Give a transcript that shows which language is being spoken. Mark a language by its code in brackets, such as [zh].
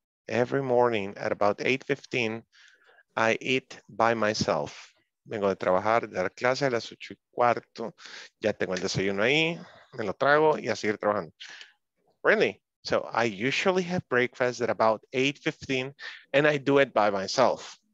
[en] Every morning at about 8:15, I eat by myself. [es] Vengo de trabajar, de dar clases a las 8:15. Ya tengo el desayuno ahí, me lo trago y a seguir trabajando. [en] Really? So I usually have breakfast at about 8:15 and I do it by myself.